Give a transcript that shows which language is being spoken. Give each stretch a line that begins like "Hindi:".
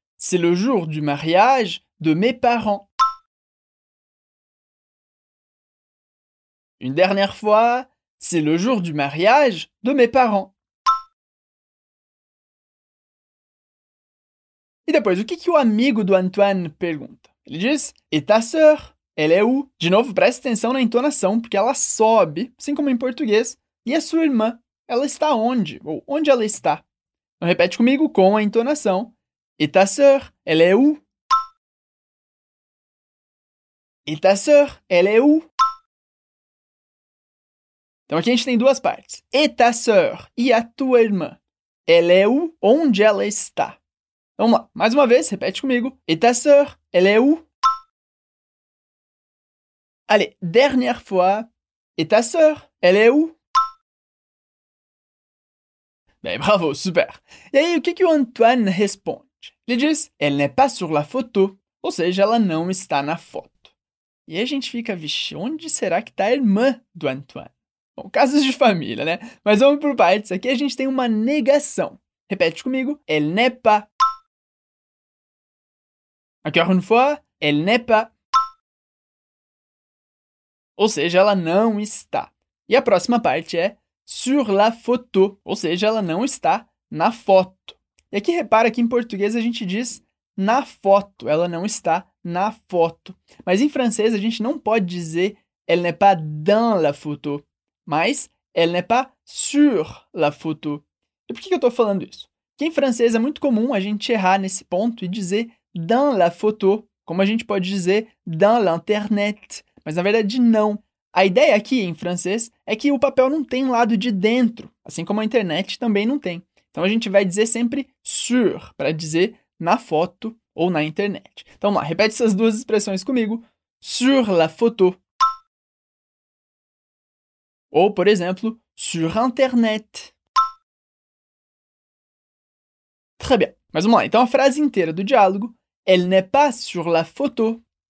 French: C'est le jour du mariage de mes parents. Une dernière fois, c'est le jour du mariage de mes parents.
Portuguese: E depois, o que que o amigo do Antoine pergunta? Ele diz,
French: et ta sœur, elle est où?
Portuguese: De novo, preste atenção na entonação, porque ela sobe, assim como em português. E a sua irmã, ela está onde? Ou onde ela está? Então, repete comigo com a entonação.
French: Et ta sœur, elle est où? Et ta sœur, elle est où?
Portuguese: Então, aqui a gente tem duas partes.
French: Et ta sœur,
Portuguese: e a tua irmã?
French: Elle est où?
Portuguese: Onde ela está? Vamos lá, mais uma vez, repete comigo.
French: Et ta sœur, elle est où? Allez, dernière fois. Et ta sœur, elle est où?
Portuguese: Bem, bravo, super. E aí, o que que o Antoine responde? Ele diz,
French: elle n'est pas sur la photo.
Portuguese: Ou seja, ela não está na foto. E aí a gente fica, vixe, onde será que está a irmã do Antoine? Bom, casos de família, né? Mas vamos por partes. Aqui a gente tem uma negação. Repete comigo.
French: Elle n'est pas. Encore une fois, elle n'est pas.
Portuguese: Ou seja, ela não está. E a próxima parte é
French: sur la photo,
Portuguese: ou seja, ela não está na foto. E aqui repara que em português a gente diz na foto, ela não está na foto. Mas em francês a gente não pode dizer
French: elle n'est pas dans la photo,
Portuguese: mas
French: elle n'est pas sur la photo.
Portuguese: E por que eu estou falando isso? Porque em francês é muito comum a gente errar nesse ponto e dizer
French: dans la photo,
Portuguese: como a gente pode dizer
French: dans l'internet,
Portuguese: mas na verdade não. A ideia aqui, em francês, é que o papel não tem lado de dentro, assim como a internet também não tem. Então, a gente vai dizer sempre sur, para dizer na foto ou na internet. Então, vamos lá, repete essas duas expressões comigo.
French: Sur la photo.
Portuguese: Ou, por exemplo,
French: sur internet. Très bien.
Portuguese: Mas vamos lá, então a frase inteira do diálogo.
French: Elle n'est pas sur la photo.